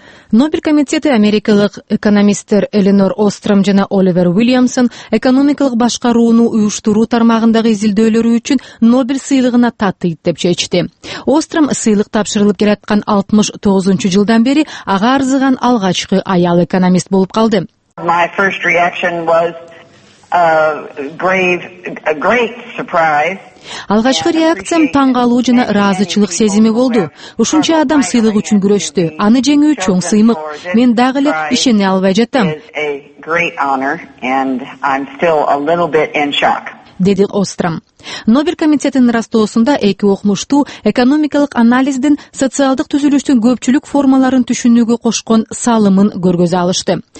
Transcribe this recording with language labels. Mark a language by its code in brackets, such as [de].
[ky] Нобель комитети америкалык экономисттер Эленор Остром жана Оливер Уильямсон экономикалык башкарууну уюштуруу тармагындагы изилдөөлөрү үчүн Нобель сыйлыгына татыйт деп чечти. Остром сыйлык тапшырылып келаткан 69 жылдан бери ага арзыган алгачкы аял экономист болуп калды. [en] My first reaction was a great surprise. [ky] Алгачкы реакциям таң калуу жана ыраазычылык сезими болду. Ушунча адам сыйлык үчүн күрөштү. Аны жеңүү чоң сыймык. Мен дагы эле ишене албай жатам. Деди Остром. Нобель комитетинин ырастоосунда эки окумуштуу экономикалык анализдин социалдык түзүлүштүн көпчүлүк формаларын түшүнүүгө кошкон салымын көргөзө алышты.